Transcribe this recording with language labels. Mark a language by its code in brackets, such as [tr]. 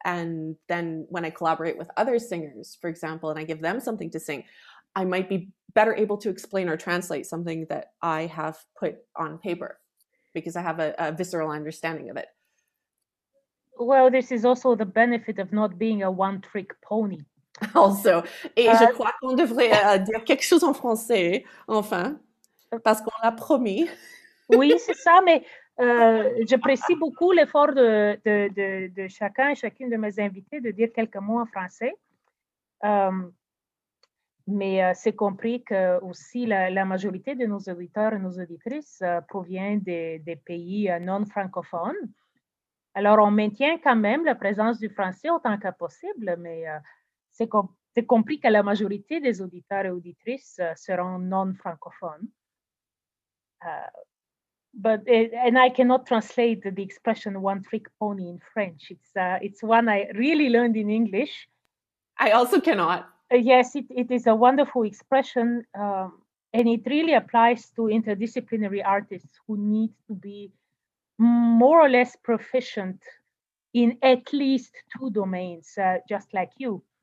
[en] And then when I collaborate with other singers, for example, and I give them something to sing, I might be better able to explain or translate something that I have put on paper because I have a visceral understanding of it. Well, this is also the benefit of not being a one-trick pony. [fr] Also, et je crois qu'on devrait dire quelque chose en français, enfin, parce qu'on l'a promis. Oui, c'est ça, mais j'apprécie beaucoup l'effort de chacun et chacune de mes invités de dire quelques mots en français. Mais c'est compris que aussi la majorité de nos auditeurs et nos auditrices provient des pays non francophones. Alors, on maintient quand même la présence du français autant que possible, mais c'est compris que la majorité des auditeurs et auditrices seront non francophones. [en] But I cannot translate the expression "one trick pony" in French. It's one I really learned in English. I also cannot. Yes, it is a wonderful expression, and it really applies to interdisciplinary artists who need to be more or less proficient in at least two domains, just like you.